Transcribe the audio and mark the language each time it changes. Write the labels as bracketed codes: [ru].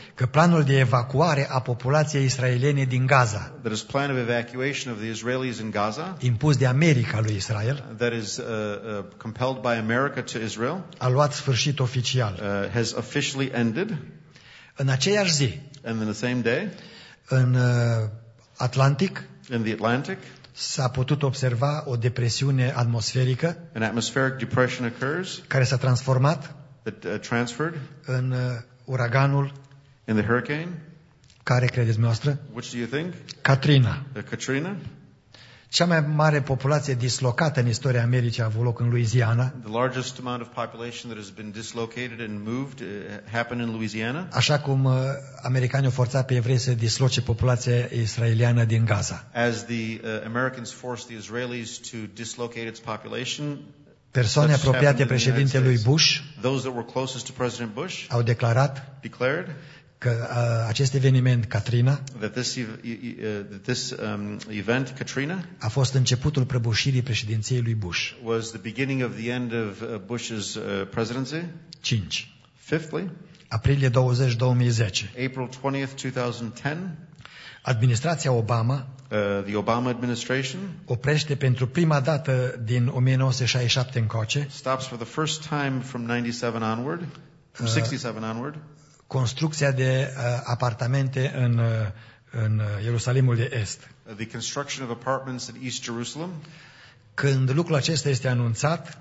[ro] că planul de evacuare a populației israeliene din Gaza, [en] that is plan of evacuation of the Israelis in Gaza, [ro] impus de America lui Israel, [en] that is compelled by America to Israel, [ro] a luat sfârșit oficial, [en] has officially ended, [ro] în aceeași zi, [en] and in the same day, [ro] în Atlantic, [en] in the Atlantic, [ro] s-a putut observa o depresiune atmosferică, [en] an atmospheric depression occurs, [ro] care s-a transformat, [en] that, transferred, [ro] în uraganul, [en] in the hurricane, [ro] care credeți noastră? [en] Which do you think? [ro] Katrina. [en] Katrina. [ro] Cea mai mare populație dislocată în istoria Americii a avut loc în Louisiana. [en] The largest amount of population that has been dislocated and moved happened in Louisiana. [ro] Așa cum americanii au forțat pe evrei să disloce populația israeliană din Gaza. [en] As the Americans forced the Israelis to dislocate its population. [ro] Persoane apropiate președintelui Bush, [en] those that were closest to President Bush, [ro] au declarat, [en] declared, [ro] că acest eveniment Katrina, [en] that this, event Katrina [ro] a fost începutul prăbușirii președinției lui Bush. [en] Was the beginning of the end of Bush's presidency? [ro] 5. [en] Fifthly, [ro] aprilie 20, 2010. [en] April 20th, 2010. [ro] Administrația Obama, [en] The Obama administration, [ro] oprește pentru prima dată din 1967 încoace, [en] stops for the first time from 97 onward, from 67 onward, [ro] construcția de apartamente în Ierusalimul de Est. [en] The construction of apartments in East Jerusalem. [ro] Când lucrul acesta este anunțat,